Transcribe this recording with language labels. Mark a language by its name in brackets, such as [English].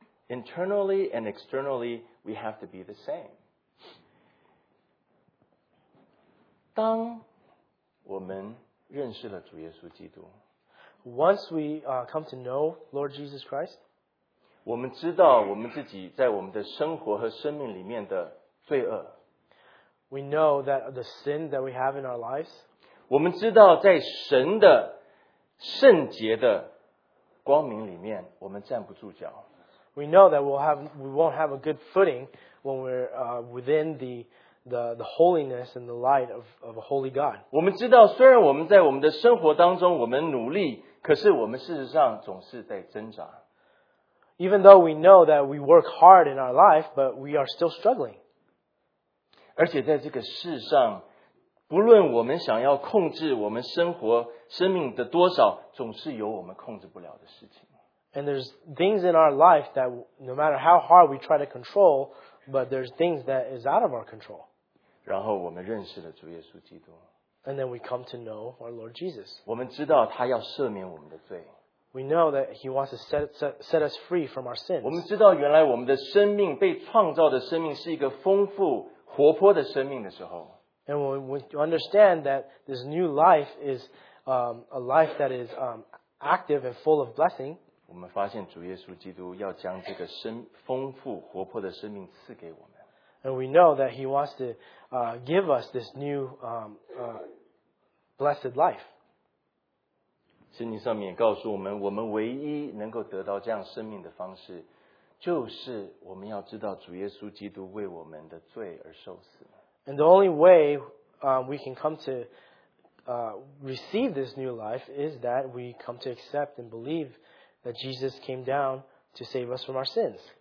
[English] Internally and externally, we have to be the same. [Chinese] 当我们认识了主耶稣基督， [English] Once we come to know Lord Jesus Christ, [Chinese] 我们知道我们自己在我们的生活和生命里面的罪恶， [English] We know that the sin that we have in our lives, [Chinese] 我们知道在神的圣洁的光明里面，我们站不住脚。 [English] We know that we won't have a good footing when we're within the holiness and the light of a holy God. [Chinese] 我们知道，虽然我们在我们的生活当中，我们努力，可是我们事实上总是在挣扎。 [English] Even though we know that we work hard in our life, but we are still struggling. [Chinese] 而且在这个世上，不论我们想要控制我们生活生命的多少，总是有我们控制不了的事情。 [English] And there's things in our life that no matter how hard we try to control, but there's things that is out of our control. [Chinese] 然后我们认识了主耶稣基督。 [English] And then we come to know our Lord Jesus. [Chinese] 我们知道他要赦免我们的罪。 [English] We know that He wants to set us free from our sins. [Chinese] 我们知道原来我们的生命, 被创造的生命是一个丰富, 活泼的生命的时候, [English] And when we understand that this new life is a life that is active and full of blessing, [Chinese] 我们发现主耶稣基督要将这个丰富活泼的生命赐给我们。 [English] And we know that He wants to give us this new blessed life. [Chinese] 圣经上面告诉我们，我们唯一能够得到这样生命的方式， 就是我们要知道主耶稣基督为我们的罪而受死。 [English] And the only way we can come to receive this new life is that we come to accept and believe that Jesus came down to save us from our sins.